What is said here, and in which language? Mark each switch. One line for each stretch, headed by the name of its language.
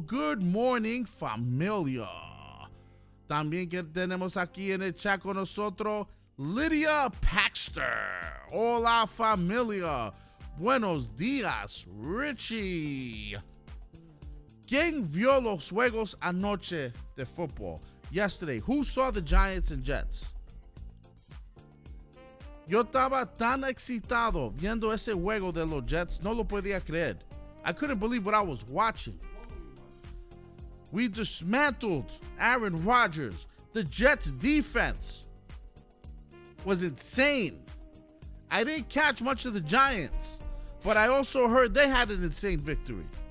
English: Good morning,
Spanish: familia. También que tenemos aquí en el chat con nosotros, Lydia Paxter. Hola, familia. Buenos días, Richie. ¿Quién vio los juegos anoche de fútbol?
English: Yesterday, who saw the Giants and Jets?
Spanish: Yo estaba tan excitado viendo ese juego de los Jets. No lo podía creer.
English: I couldn't believe what I was watching. We dismantled Aaron Rodgers. The Jets' defense was insane. I didn't catch much of the Giants, but I also heard they had an insane victory.